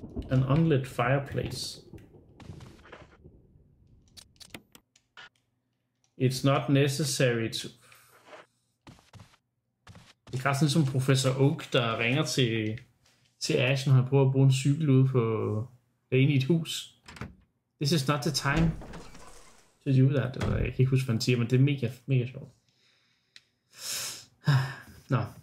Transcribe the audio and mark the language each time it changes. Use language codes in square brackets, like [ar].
[en] An unlit fireplace. It's not necessary to... [da] Det er ret sådan som Professor Oak, der ringer til Ash, når han prøver at bruge en cykel ude på... Inde i et hus. [en] This is not the time to do that. [da] Eller jeg kan ikke huske, hvad han siger, men det er mega, mega sjovt. Nå.